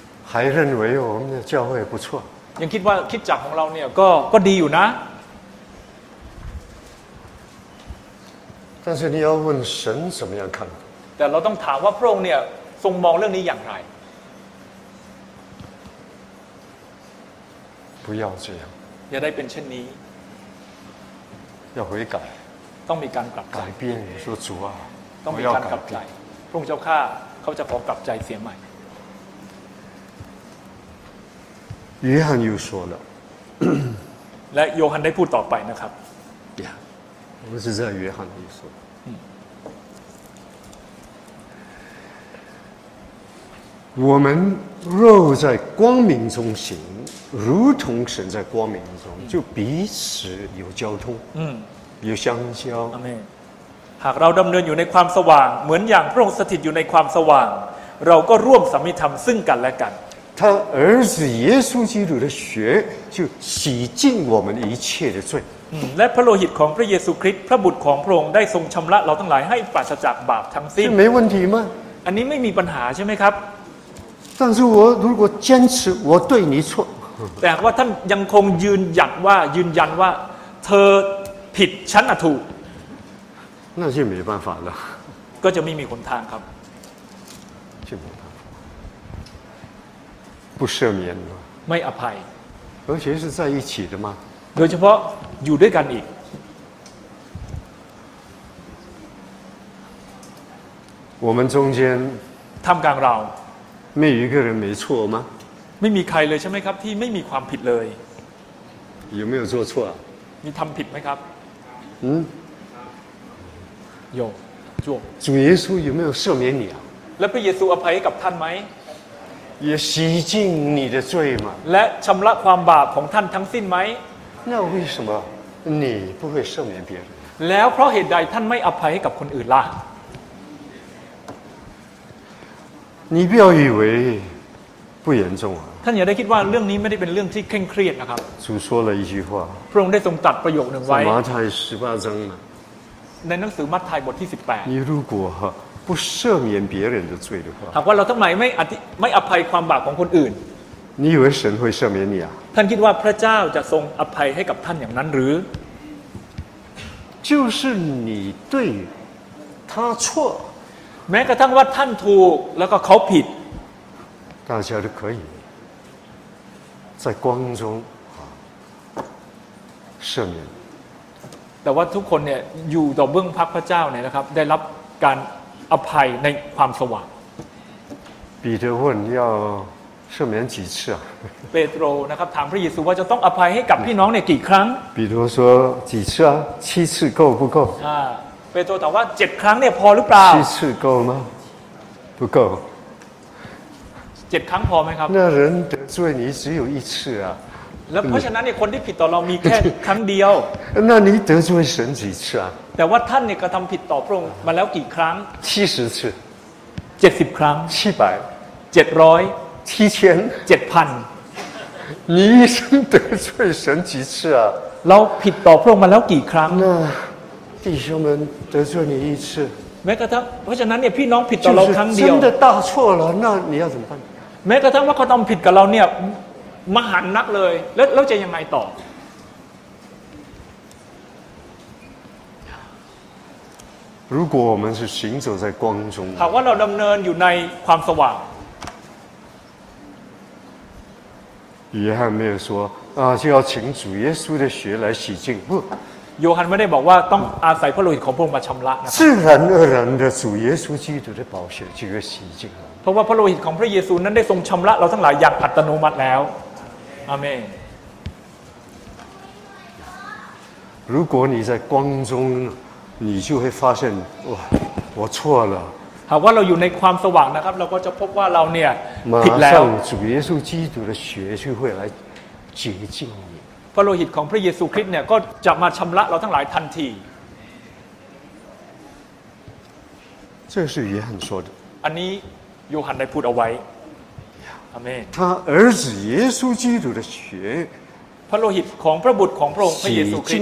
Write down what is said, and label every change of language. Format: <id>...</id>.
<zh>还认为我们的教会不错。</zh> <th>ยังคิดว่าคิดจักของเราเนี่ยก็ดีอยู่นะ。</th> <zh>但是你要问神怎么样看。</zh> <th>แต่เราต้องถามว่าพระองค์เนี่ยทรงมองเรื่องนี้อย่างไร</th> <zh>不要这样</zh> <th>อย่าได้เป็นเช่นนี้</th> <zh>要悔改</zh> <th>ต้องมีการกลับ</th> <zh>ใจ改变说主啊</zh> <th>ต้องมีการกลับใจพระองค์เจ้าข้าเขาจะขอกลับใจเสียใหม่</th> <zh>约翰又说了</zh> <th>และโยฮันได้พูดต่อไปนะครับ</th> <zh>我们是在约翰里说我们若在光明中行，如同神在光明中，就彼此有交通，有相交。</zh> <th>阿门。หากเราดำเนินอยู่ในความสว่างเหมือนอย่างพระองค์สถิตอยู่ในความสว่าง เราก็ร่วมสัมมิธรรมซึ่งกันและกัน</th> <zh>他儿子耶稣基督的血就洗净我们一切的罪</zh> <th>และพระโลหิตของพระเยซูคริสต์พระบุตรของพระองค์ได้ทรงชำระเราทั้งหลายให้ปราศจากบาปทั้งสิ้น</th> <zh>ไม่问题吗</zh> <th>อันนี้ไม่มีปัญหาใช่ไหมครับ</th> <zh>但是我如果坚持我对你错</zh> <th>แต่ว่าท่านยังคงยืนหยัดว่ายืนยันว่าเธอผิดฉันถูก</th> <zh>那就没办法了</zh> <th>ก็จะไม่มีหนทางครับ</th> <zh>就没办法不赦免了</zh> <th>ไม่อภัย</th> <zh>而且是在一起的吗</zh> <th>โดยเฉพาะอยู่ด้วยกันอีก</th> <zh>我们中间</zh> <th>ท่ามกลางเรา</th> <zh>没有一个人没错吗</zh> <th>ไม่มีใครเลยใช่ไหมครับที่ไม่มีความผิดเลย</th> <zh>有没有做错</zh> <th>มีทำผิดไหมครับ</th> <zh>有做主耶稣有没有赦免你啊</zh> <th>แล้วพระเยซูอภัยกับท่านไหม</th> <zh>也洗净你的罪嘛</zh> <th>และชำระความบาปของท่านทั้งสิ้นไหม</th> <zh>那为什么你不会赦免别人</zh> <th>แล้วเพราะเหตุใดท่านไม่อภัยให้กับคนอื่นล่ะ</th> <zh>你不要以为不严重啊</zh> <th>ท่านอย่าได้คิดว่าเรื่องนี้ไม่ได้เป็นเรื่องที่เคร่งเครียดนะครับ</th> <zh>主说了一句话</zh> <th>พระองค์ได้ทรงตัดประโยคนึงไว้</th> <zh>马太十八章</zh> <th>ในหนังสือมัทธิวบทที่18</th> <zh>你如果不赦免别人的罪的话</zh> <th>หากว่าเราทำไมไม่อภัยความบาปของคนอื่น</th> <zh>你以为神会赦免你啊</zh> <th>ท่านคิดว่าพระเจ้าจะทรงอภัยให้กับท่านอย่างนั้นหรือ</th> <zh>就是你对他错</zh> <th>แม้กระทั่งว่าท่านถูกแล้วก็เขาผิด</th> <zh>大家都可以在光中赦免</zh> <th>แต่ว่าทุกคนเนี่ยอยู่ต่อเบื้องพระเจ้าเนี่ยนะครับได้รับการอภัยในความสว่าง</th> <zh>ปีเตอร์问要赦免几次啊</zh> <th>เปโตรนะครับถามพระเยซูว่าจะต้องอภัยให้กับพี่น้องเนี่ยกี่ครั้ง</th> <zh>ปีเตอร์说几次啊七次够不够</zh> <th>เปโตรถามว่า7ครั้งเนี่ยพอหรือเปล่า</th> <zh>七次够吗不够</zh> <th>7ครั้งพอไหมครับ</th> <zh>那人得罪你只有一次啊</zh> <th>แล้วเพราะฉะนั้นเนี่ยคนที่ผิดต่อเรามีแค่ครั้งเดียว</th> <zh>那你得罪神几次啊</zh> <th>แต่ว่าท่านเนี่ยกระทำผิดต่อพระองค์มาแล้วกี่ครั้ง</th> <zh>70次</zh> <th>70ครั้ง 700 700 7000 7000</th> <zh>你一生得罪神几次啊</zh> <th>เราผิดต่อพระองค์มาแล้วกี่ครั้ง</th> <zh>那弟兄们得罪你一次</zh> <th>แม้กระทั่งเพราะฉะนั้นเนี่ยพี่น้องผิดต่อเราครั้งเดียว</th> <zh>真的大错了那你要怎么办</zh> <th>แม้กระทั่งว่าเขาทำผิดกับเราเนี่ยมหันต์นักเลยแล้วจะยังไงต่</th> <zh>อ如果我们是行走在光中</zh> <th>หากว่าเราดำเนินอยู่ในความสว่าง</th> <zh>约翰没有说啊就要请主耶稣的血来洗净不</zh> <th>โยฮันไม่ได้บอกว่าต้องอาศัยพระโลหิตของพระองค์มาชำระนะ</th> <zh>自然而然的主耶稣基督的宝血就要洗净了</zh> <th>เพราะว่าพระโลหิตของพระเยซูนั้นได้ทรงชำระเราทั้งหลายอย่างอัตโนมัติแล้วอาเมน</th> <zh>如果你在光中你就会发现哇我错了</zh> <th>หากว่าเราอยู่ในความสว่างนะครับเราก็จะพบว่าเราเนี่ยผิดแล้ว</th> <zh>主耶稣基督的血就会来洁净你</zh> <th>พระโลหิตของพระเยซูคริสต์เนี่ยก็จะมาชำระเราทั้งหลายทันที</th> <zh>这是约翰说的</zh> <th>อันนี้โยฮันได้พูดเอาไว้อาเมน</th> <zh>他儿子耶稣基督的血</zh> <th>พระโลหิตของพระบุตรของพระองค์พระเยซูคริสต์</th>